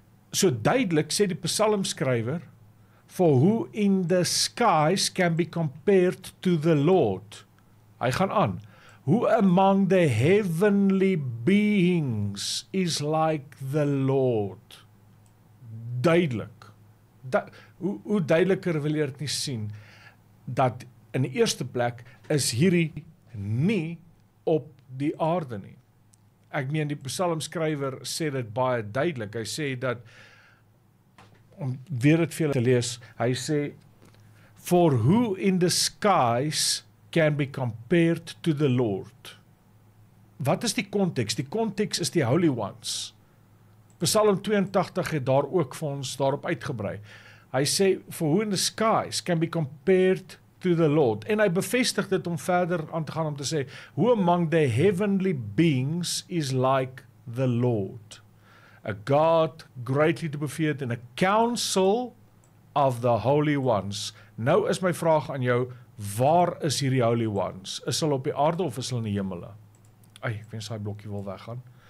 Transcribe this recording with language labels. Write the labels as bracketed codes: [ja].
[af] So duidelik sê die psalmskrywer, [en] for who in the skies can be compared to the Lord. [af] Hy gaan aan. [en] Who among the heavenly beings is like the Lord. [af] Duidelik. Hoe duideliker wil jy dit nie sien, dat in die eerste plek is hierdie nie op die aarde nie. Ek meen die psalmskrywer sê dit baie duidelik, hy sê dat, om weer het veel te lees, hy sê, [en] for who in the skies can be compared to the Lord? [af] Wat is die context? Die context is die Holy Ones. Psalm 82 het daar ook vir ons daarop uitgebrei. Hy sê, [en] for who in the skies can be compared to the Lord, [af] en hy bevestig dit om verder aan te gaan om te sê, [en] who among the heavenly beings is like the Lord, a God greatly to be feared in a council of the holy ones. [af] Nou is my vraag aan jou, waar is hierdie holy ones? Is hulle op die aarde of is hulle in die hemele? Ai, ek wens hy blokkie wil weggaan.